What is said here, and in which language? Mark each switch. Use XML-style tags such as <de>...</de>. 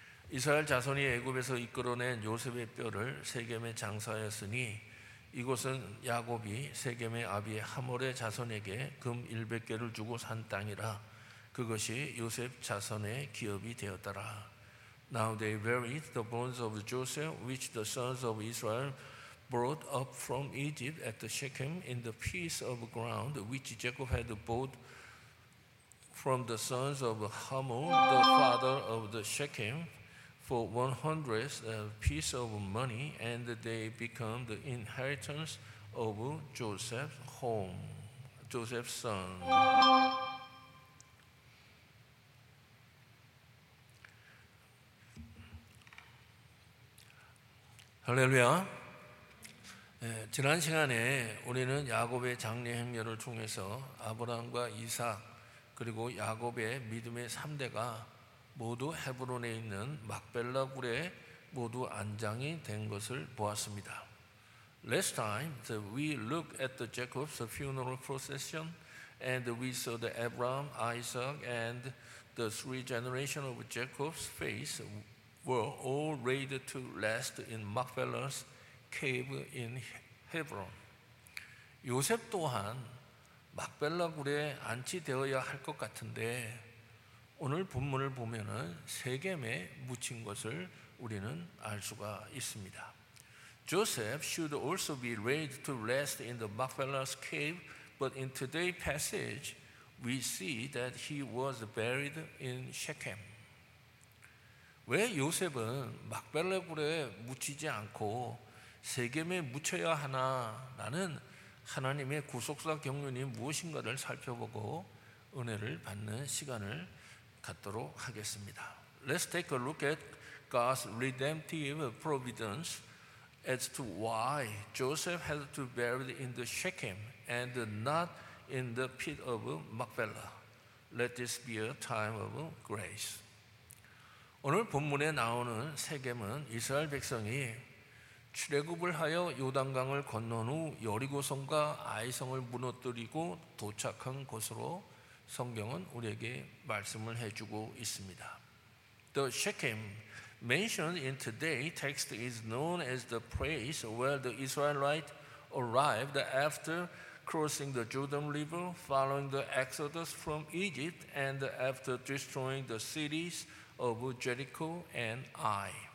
<ko>이스라엘 자손이 애굽에서 이끌어낸 요셉의 뼈를 세겜에 장사하였으니 이곳은 야곱이 세겜의 아비의 하몰의 자손에게 금 100개를 주고 산 땅이라. 그것이 요셉 자손의 기업이 되었더라.</ko> <en>Now they buried the bones of Joseph, which the sons of Israel brought up from Egypt at the Shechem in the piece of ground which Jacob had bought from the sons of Hamor, the father of the Shechem, for 100th piece of money, and they become the inheritance of Joseph's home, Joseph's son.</en> <ko>할렐루야. 지난 시간에 우리는 야곱의 장례 행렬을 통해서 아브라함과 이삭 그리고 야곱의 믿음의 3대가 모두 헤브론에 있는 막벨라 굴에 모두 안장이 된 것을 보았습니다.</ko> <en>Last time we looked at the Jacob's funeral procession and we saw the Abraham, Isaac and the three generations of Jacob's face were all ready to rest in Machpelah's cave in Hebron.</en> <ko>요셉 또한 막벨라 굴에 안치되어야 할 것 같은데 오늘 본문을 보면은 세겜에 묻힌 것을 우리는 알 수가 있습니다.</ko> <en>Joseph should also be ready to rest in the Machpelah's cave, but in today's passage, we see that he was buried in Shechem.</en> <ko>왜 요셉은 막벨라 굴에 묻히지 않고 세겜에 묻혀야 하나? 라는 하나님의 구속사 경륜이 무엇인가를 살펴보고 은혜를 받는 시간을 갖도록 하겠습니다.</ko> <en>Let's take a look at God's redemptive providence as to why Joseph had to be buried in the Shechem and not in the pit of Machpelah. Let this be a time of grace.</en> <ko>오늘 본문에 나오는 세겜은 이스라엘 백성이 출애굽을 하여 요단강을 건넌 후 여리고성과 아이성을 무너뜨리고 도착한 곳으로 성경은 우리에게 말씀을 해주고 있습니다.</ko> <en>The Shechem mentioned in today's text is known as the place where the Israelites arrived after crossing the Jordan River, following the Exodus from Egypt, and after destroying the cities of Jericho and Ai.</en>